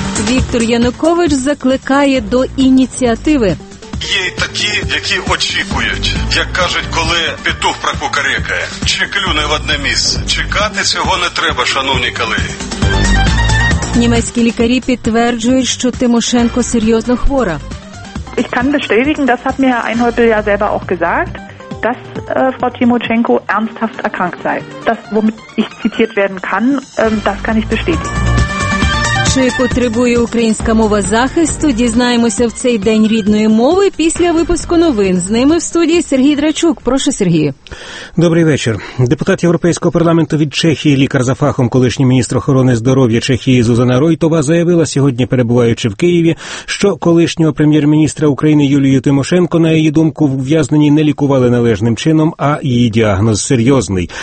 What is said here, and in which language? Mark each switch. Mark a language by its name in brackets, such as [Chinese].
[Ukrainian] Віктор Янукович закликає до ініціативи. Є й такі, які очікують, як кажуть, коли петух прокукарекає, чи клюне в одне місце. Чекати цього не треба, шановні колеги. Німецькі лікарі підтверджують, що Тимошенко серйозно хвора. [German] Ich kann bestätigen, das hat mir Herr Einhäupl ja selber auch gesagt, dass Frau Timoschenko ernsthaft erkrankt sei. Das, womit ich zitiert werden kann, das kann ich bestätigen. [Ukrainian] Чи потребує українська мова захисту, дізнаємося в цей день рідної мови після випуску новин. З ними в студії Сергій Драчук. Прошу, Сергію. Добрий вечір. Депутат Європейського парламенту від Чехії, лікар за фахом, колишній міністр охорони здоров'я Чехії Зузана Ройтова заявила сьогодні, перебуваючи в Києві, що колишнього прем'єр-міністра України Юлію Тимошенко, на її думку, в ув'язненні не лікували належним чином, а її діагноз серйозний.